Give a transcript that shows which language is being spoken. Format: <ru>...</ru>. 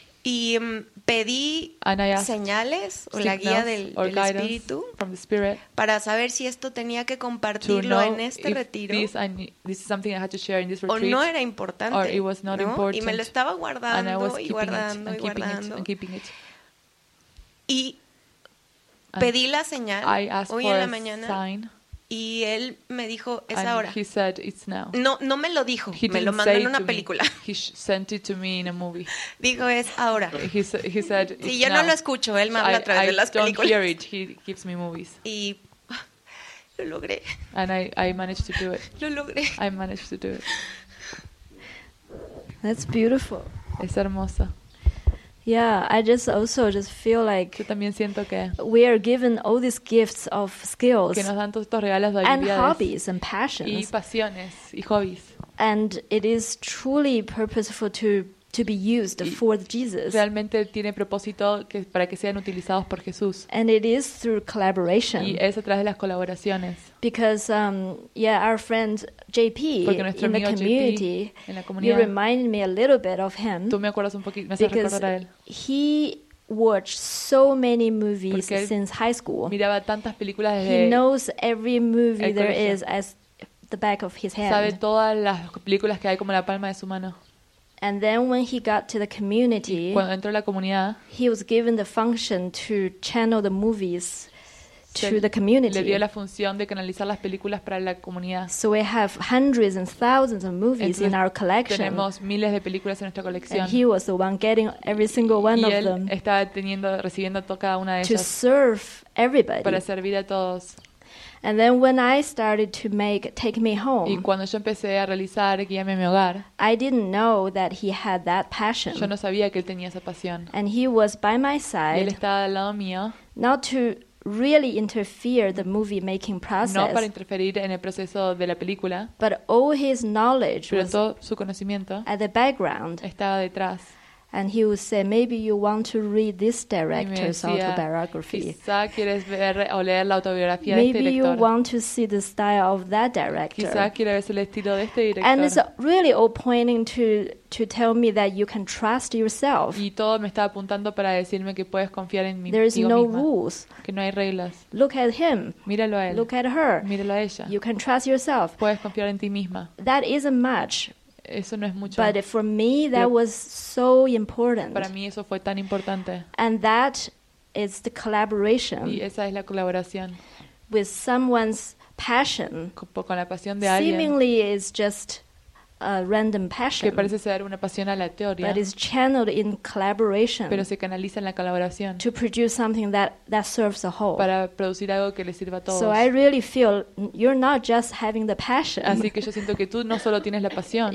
<es>Y pedí señales o la guía del Espíritu</es> <en>from the Spirit</en> <es>para saber si esto tenía que compartirlo en este retiro.</es> <en>This is something I had to share in this retreat.</en> <es>O no era importante.</es> <en>Or it was not</en> <es>¿no?</es> <en>important.</en> <es>Y me lo estaba guardando. Y pedí la señal hoy en la mañana.</es> <en>Sign,</en> <es>y él me dijo, es ahora.</es> <en>He said, it's now.</en> <es>No me lo dijo, me lo mandó en una película.</es> <en>He sent it to me in a movie.</en> <es>Dijo, es ahora.</es> <en>He said, it's</en> <es>si yo</es> <en>now.</en> <es>No lo escucho, él me habla a través de las</es> <en>don't</en> <es>películas.</es> <en>Hear it. He gives me movies.</en> <es>Y lo logré.</es> <en>And I managed to do it.</en> <es>Lo logré.</es> <en>I managed to do it. That's beautiful.</en> <es>Es hermosa.</es> <en>Yeah, I just also just feel like</en> <es>yo también siento que</es> <en>we are given all these gifts of skills</en> <es>que nos dan todos estos regalos de</es> <en>and hobbies and passions</en> <es>y pasiones y hobbies.</es> <en>And it is truly purposeful to be used</en> <es>y</es> <en>for Jesus.</en> <es>Realmente tiene propósito que para que sean utilizados por Jesús.</es> <en>And it is through collaboration.</en> <es>Y es a través de las colaboraciones.</es> <en>Because our friend JP in the community, you reminded me a little bit of him.</en> <es>Tú me acuerdas un poquito, me hace recordar a él.</es> <en>He watched so many movies since high school.</en> <es>Miraba tantas películas desde.</es> <en>He knows every movie there is as the back of his hand.</en> <es>Sabe todas las películas que hay como la palma de su mano.</es> <en>And then when he got to the community,</en> <es>cuando entró a la comunidad,</es> <en>he was given the function to channel the movies to the community.</en> <es>Le dio la función de canalizar las películas para la comunidad.</es> <en>So we have hundreds and thousands of movies</en> <es>entonces,</es> <en>in our collection.</en> <es>Tenemos miles de películas en nuestra colección.</es> <en>And he was the one getting every single one of them.</en> <es>Él estaba recibiendo cada una de</es> <en>to</en> <es>ellas.</es> <en>To serve everybody.</en> <es>Para servir a todos.</es> <en>And then when I started to make take me home,</en> <es>y cuando yo empecé a realizar guíame a mi hogar,</es> <en>I didn't know that he had that passion.</en> <es>Yo no sabía que él tenía esa pasión.</es> <en>And he was by my side.</en> <es>Y él estaba al lado mío.</es> <en>Not to really interfere the movie making process.</en> <es>No para interferir en el proceso de la película.</es> <en>But all his knowledge</en> <es>pero todo su conocimiento</es> <en>at the background</en> <es>estaba detrás.</es> <en>And he would say, maybe you want to read this director's autobiography.</en> <es>Quizá quieres ver o leer la autobiografía</es> <en>maybe</en> <es>de este director.</es> <en>Maybe you want to see the style of that director.</en> <es>Quizá quieres ver el estilo de este director.</es> <en>And it's really all pointing to tell me that you can trust yourself.</en> <es>Y todo me está apuntando para decirme que puedes confiar en mí.</es> <en>There is no</en> <es>misma,</es> <en>rules.</en> <es>Que no hay reglas.</es> <en>Look at him.</en> <es>Míralo a él.</es> <en>Look at her.</en> <es>Míralo a ella.</es> <en>You can trust yourself.</en> <es>Puedes confiar en ti misma.</es> <en>That isn't much.</en> <es>Eso no es mucho.</es> <en>But for me, that was so important.</en> <es>Para mí eso fue tan importante.</es> <en>And that is the collaboration.</en> <es>Y esa es la colaboración.</es> <en>With someone's passion.</en> <es>Con la pasión de alguien.</es> <en>Seemingly is just a random passion.</en> <es>Que parece ser una pasión aleatoria.</es> <en>But is channeled in collaboration.</en> <es>Pero se canaliza en la colaboración.</es> <en>To produce something that serves the whole.</en> <es>Para producir algo que le sirva a todos.</es> <en>So I really feel you're not just having the passion.</en> <es>Así que yo siento que tú no solo tienes la pasión.</es>